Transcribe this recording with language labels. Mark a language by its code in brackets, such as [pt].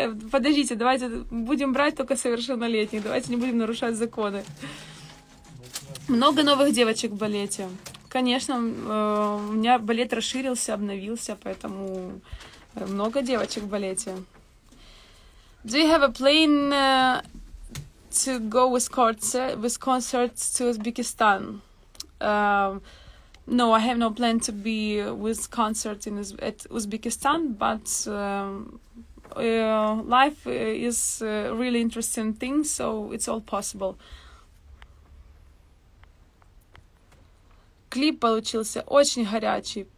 [ru] Подождите, давайте будем брать только совершеннолетних. Давайте не будем нарушать законы. Много новых девочек в балете. Конечно, у меня балет расширился, обновился, поэтому много девочек в балете. [en] Do you have a plane to go with concerts to Uzbekistan? No, I have no plan to be with concert in at Uzbekistan, but life is a really interesting thing, so it's all possible. [ru] Клип получился очень горячий.